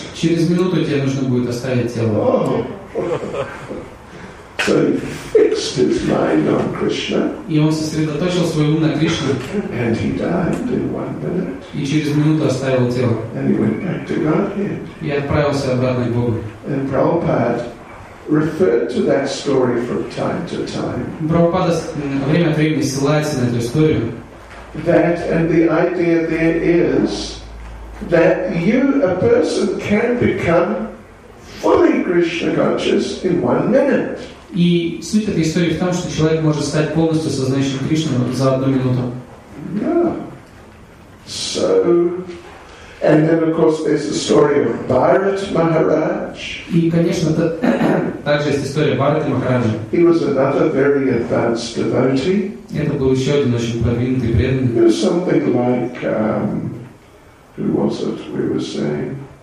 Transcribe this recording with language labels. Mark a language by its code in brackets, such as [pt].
[ru] Через минуту тебе нужно будет оставить тело. [en] Oh. So he fixed his mind on Krishna. [ru] И он сосредоточил свой ум на Кришне. [en] And he died in 1 minute. [ru] И через минуту оставил тело. [en] And he went back to Godhead. [ru] И отправился обратно к Богу. [en] And Prabhupada referred to that story from time to time. [ru] Прабхупада время от времени ссылается на эту историю. [en] That and the idea there is that a person can become fully Krishna conscious in 1 minute. [ru] И суть этой истории в том, что человек может стать полностью сознающим Кришну за 1 минуту. [en] So, and then of course there's the story of Bharat Maharaj. [ru] И, конечно, также есть история Бхарата Махараджа. [en] He was another very advanced devotee. [ru] Это был еще один очень продвинутый преданный. [en] It was something like, who was it we were saying?